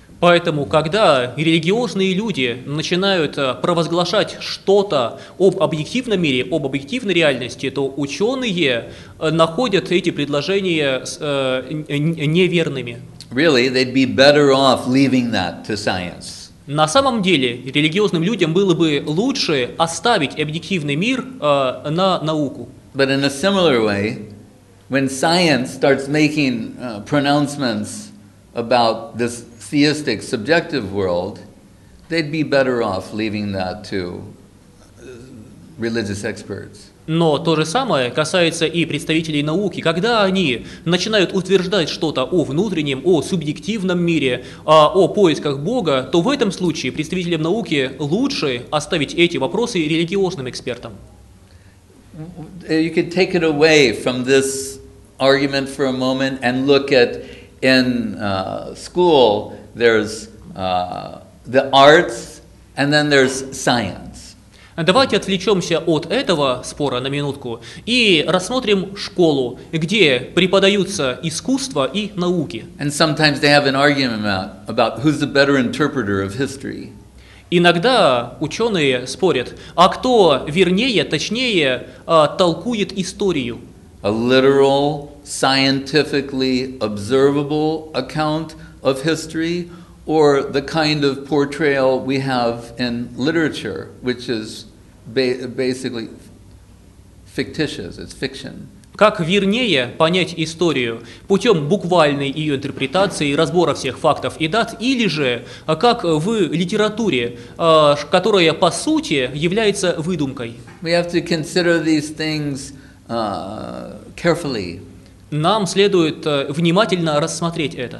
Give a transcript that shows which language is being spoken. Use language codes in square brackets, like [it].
[ru] Поэтому, когда религиозные люди начинают провозглашать что-то об объективном мире, об объективной реальности, то ученые находят эти предложения неверными. [en] Really, they'd be better off leaving that to science. [ru] На самом деле, религиозным людям было бы лучше оставить объективный мир на науку. [en] But in a similar way, when science starts making pronouncements about this theistic subjective world, they'd be better off leaving that to religious experts. [ru] Но то же самое касается и представителей науки. Когда они начинают утверждать что-то о внутреннем, о субъективном мире, о поисках Бога, то в этом случае представителям науки лучше оставить эти вопросы религиозным экспертам. [en] You could take it away from this argument for a moment and look at in school there's the arts and then there's science. [ru] Давайте отвлечемся от этого спора на минутку и рассмотрим школу, где преподаются искусство и науки. [en] And sometimes they have an argument about who's the better interpreter of history. [ru] Иногда ученые спорят, а кто вернее, точнее, толкует историю. [en] A literal, scientifically observable account of history, or the kind of portrayal we have in literature, which is basically fictitious, it's fiction. [ru] Как вернее понять историю путем буквальной ее интерпретации, разбора всех фактов и дат, или же как в литературе, которая по сути является выдумкой? [en] We have to consider these things carefully. [ru] Нам следует внимательно рассмотреть это.